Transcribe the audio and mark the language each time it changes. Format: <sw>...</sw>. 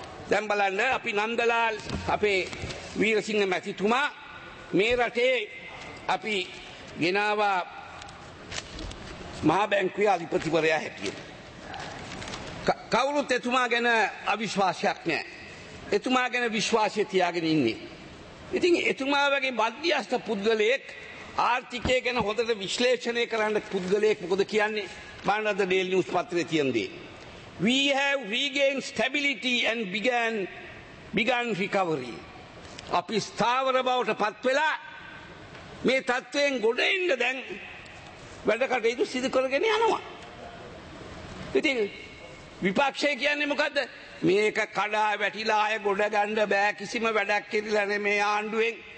<si>දැන් බලන්න අපි නන්දලාල් අපේ වීරසිංහ මැතිතුමා මේ රටේ අපි ගෙනාවා මහා බැංකුවේ අධිපතිවරයා හැටියට. කවුරුත් එතුමා ගැන අවිශ්වාසයක් නැහැ. එතුමා ගැන විශ්වාසය තියාගෙන ඉන්නේ. ඉතින් එතුමා වගේ මධ්‍යස්ථ පුද්ගලයෙක් ආර්ථිකය ගැන හොඳට විශ්ලේෂණය කරන්න පුද්ගලයෙක් මොකද කියන්නේ? බලන්නද ඩේලි නිවුස් පත්‍රයේ තියෙන්නේ.</si> <en>We have regained stability and began recovery.</en> <si>අපි ස්ථාවර බවට පත් වෙලා මේ තත්ත්වයෙන් ගොඩ එන්න දැන් වැඩකටයුතු සිදු කරගෙන යනවා. ඉතින් විපක්ෂය කියන්නේ මොකද්ද? මේක කඩා වැටිලා අය ගොඩ ගන්න බෑ, කිසිම වැඩක් කියලා නෙමේ ආණ්ඩුවෙන්.</si>